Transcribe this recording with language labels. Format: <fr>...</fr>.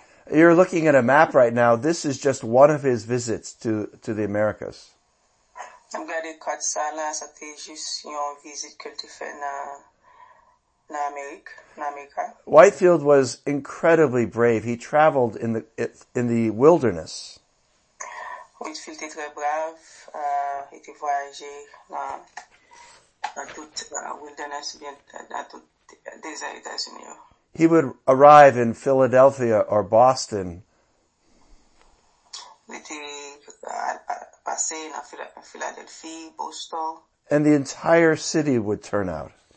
<en>You're looking at a map right now. This is just one of his visits to the Americas. I'm glad you caught that. That was just one visit that he did in Namik. Whitefield was incredibly brave. He traveled in the wilderness.</en> <fr>Whitefield était très brave. Il était voyagé dans toute la wilderness, bien dans toute les États-Unis.</fr> <en>He would arrive in Philadelphia or Boston.</en> <fr>Il était passé en Philadelphie, Boston.</fr> <en>And the entire city would turn out.</en>